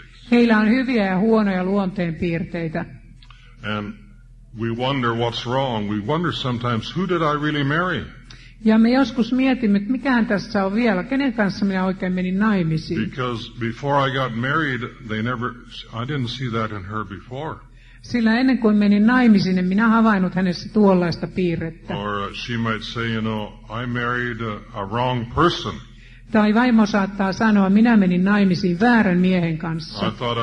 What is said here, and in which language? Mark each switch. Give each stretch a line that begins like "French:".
Finnish: Heillä on hyviä ja huonoja luonteenpiirteitä.
English: And we wonder what's wrong. We wonder sometimes who did I really marry?
Finnish: Ja me joskus mietimme, että mikähän tässä on vielä, kenen kanssa minä oikein menin naimisiin?
English: Because before I got married, I didn't see that in her before.
Finnish: Sillä ennen kuin menin naimisiin, en minä havainnut hänessä tuollaista piirrettä.
English: Or she might say, you know, I married a wrong person.
Finnish: Tai vaimo saattaa sanoa, minä menin naimisiin väärän miehen kanssa.